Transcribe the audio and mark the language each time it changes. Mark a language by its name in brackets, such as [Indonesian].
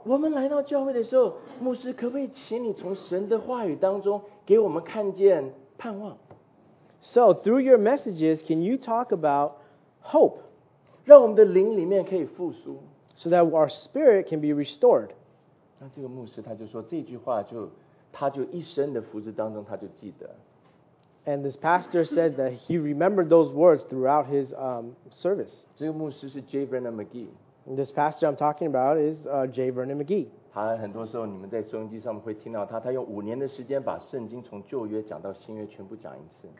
[Chinese] 我们来到教会的时候，牧师可不可以请你从神的话语当中给我们看见盼望？ [English] So through your messages, can you talk about hope? [Chinese] 让我们的灵里面可以复苏。 [English] So that our spirit can be restored. [Chinese] 那这个牧师他就说这句话就他就一生的福祉当中他就记得。 [English] And this pastor said that he remembered those words throughout his service. [Chinese] 这个牧师是 J. Vernon McGee. [English] This pastor I'm talking about is J. Vernon McGee. [Chinese] 他很多时候你们在收音机上面会听到他，他用五年的时间把圣经从旧约讲到新约全部讲一次。